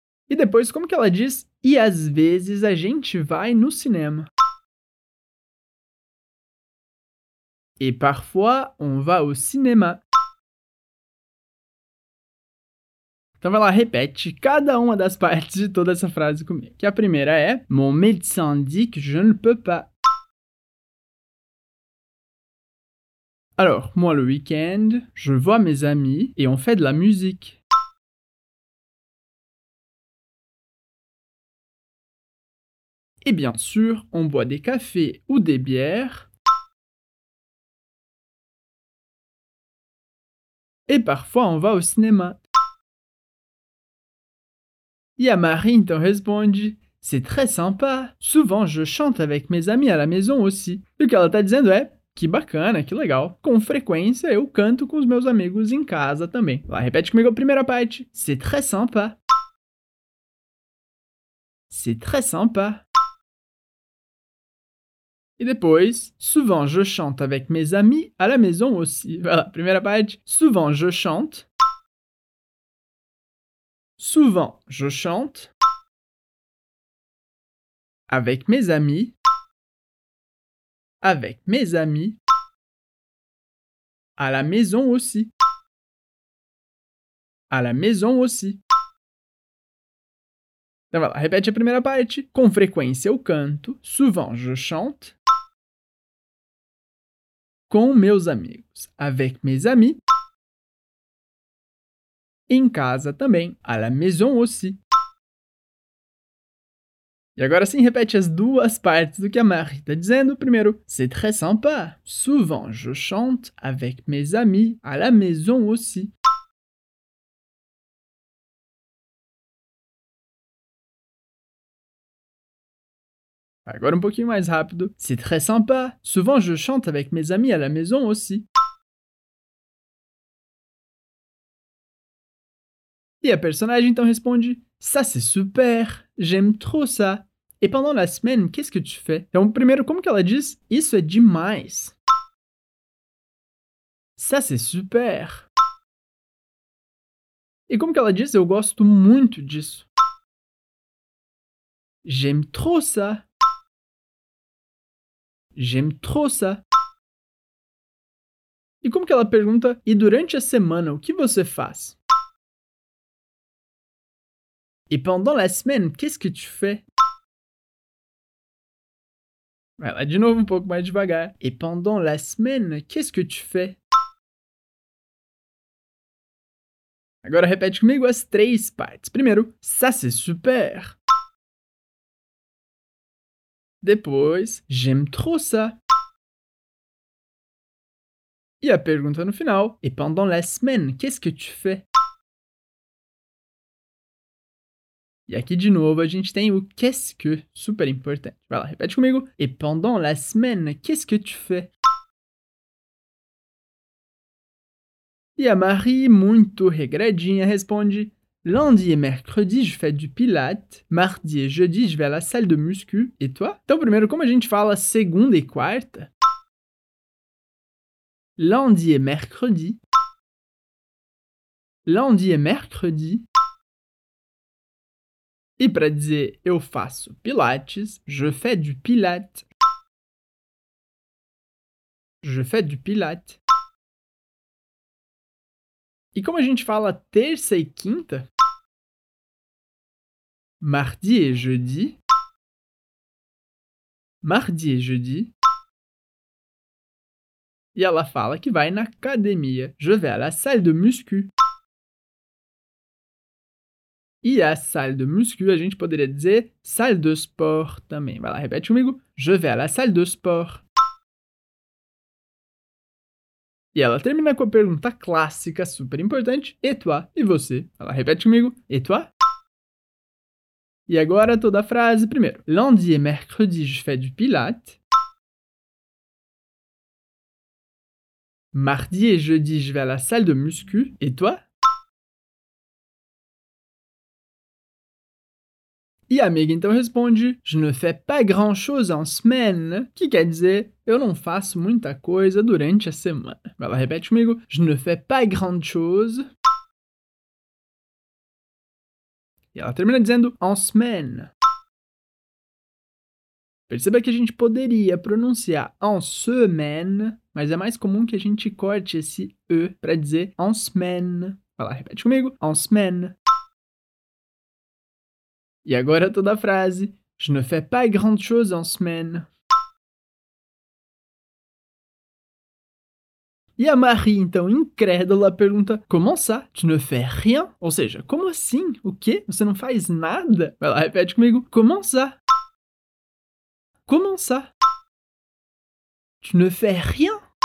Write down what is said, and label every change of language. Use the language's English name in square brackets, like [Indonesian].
[Portuguese] E depois, como que ela diz? E às vezes a gente vai no cinema. [French] Et parfois, on va au cinéma. [Portuguese] Então vai lá, repete cada uma das partes de toda essa frase comigo. Que a primeira é... [French] Mon médecin dit que je ne peux pas. Alors, moi le week-end, je vois mes amis et on fait de la musique. Et bien sûr, on boit des cafés ou des bières. Et parfois, on va au cinéma. Et à Marie, [Portuguese] então, responde, [French] c'est très sympa. Souvent, je chante avec mes amis à la maison aussi. [Portuguese] E o que ela tá dizendo é, que bacana, que legal. Com frequência, eu canto com os meus amigos em casa também. Lá, repete comigo a primeira parte. [French] C'est très sympa. C'est très sympa. [Portuguese] E depois, [French] souvent je chante avec mes amis à la maison aussi. Voilà, [Portuguese] primeira parte. [French] Souvent je chante. Souvent je chante. Avec mes amis. Avec mes amis. À la maison aussi. À la maison aussi. [Portuguese] Então voilà, [French] répète [Portuguese] a primeira parte. Com frequência eu canto. [French] Souvent je chante. [Portuguese] Com meus amigos, [French] avec mes amis, [Portuguese] em casa também, [French] à la maison aussi. [Portuguese] E agora sim, repete as duas partes do que a Marie está dizendo. Primeiro, [French] c'est très sympa. Souvent je chante avec mes amis, à la maison aussi. [Portuguese] Agora um pouquinho mais rápido. [French] C'est très sympa. Souvent je chante avec mes amis à la maison aussi. [Portuguese] E a personagem então responde. [French] Ça c'est super. J'aime trop ça. Et pendant la semaine, qu'est-ce que tu fais? [Portuguese] Então primeiro, como que ela diz? Isso é demais. [French] Ça c'est super. [Portuguese] E como que ela diz? Eu gosto muito disso. [French] J'aime trop ça. J'aime trop ça. [Portuguese] E como que ela pergunta, e durante a semana, o que você faz? [French] Et pendant la semaine, qu'est-ce que tu fais? [Portuguese] Vai lá de novo um pouco mais devagar. [French] Et pendant la semaine, qu'est-ce que tu fais? [Portuguese] Agora repete comigo as três partes. Primeiro, [French] ça c'est super. [Portuguese] Depois, [French] j'aime trop ça. [Portuguese] E a pergunta no final, [French] et pendant la semaine, qu'est-ce que tu fais? [Portuguese] E aqui de novo a gente tem o [French] qu'est-ce que, [Portuguese] super importante. Vai lá, repete comigo. [French] Et pendant la semaine, qu'est-ce que tu fais? [Portuguese] E a Marie, muito regradinha, responde, [French] lundi et mercredi, je fais du pilates. Mardi et jeudi, je vais à la salle de muscu. Et toi? [Portuguese] Então, primeiro, como a gente fala segunda e quarta? [French] Lundi et mercredi. Lundi et mercredi. [Portuguese] E para dizer eu faço pilates, [French] je fais du pilates. Je fais du pilates. [Portuguese] E como a gente fala terça e quinta? [French] Mardi et jeudi. Mardi e jeudi. [Portuguese] E ela fala que vai na academia. [French] Je vais à la salle de muscu. [Portuguese] E a [French] salle de muscu, [Portuguese] a gente poderia dizer [French] salle de sport [Portuguese] também. Vai lá, repete comigo. [French] Je vais à la salle de sport. [Portuguese] E ela termina com a pergunta clássica, super importante. [French] Et toi? [Portuguese] E você? Vai lá, repete comigo. Et toi? E agora toda a frase primeiro. [French] Lundi et mercredi, je fais du pilates. Mardi et jeudi, je vais à la salle de muscu. Et toi? [Portuguese] E a amiga então responde, [French] je ne fais pas grand chose en semaine, [Portuguese] que quer dizer, eu não faço muita coisa durante a semana. Vai lá, repete comigo, [French] je ne fais pas grand chose. [Portuguese] E ela termina dizendo, [French] en semaine. [Portuguese] Perceba que a gente poderia pronunciar [French] en semaine, [Portuguese] mas é mais comum que a gente corte esse E para dizer en semaine. Vai lá, repete comigo, [French] en semaine. [Portuguese] E agora toda a frase. [French] Je ne fais pas grand chose en semaine. [Portuguese] E a Marie, então, incrédula, pergunta. [French] Comment ça? Tu ne fais rien? [Portuguese] Ou seja, como assim? O quê? Você não faz nada? Vai lá, repete comigo. [French] Comment ça? Comment ça? Tu ne fais rien?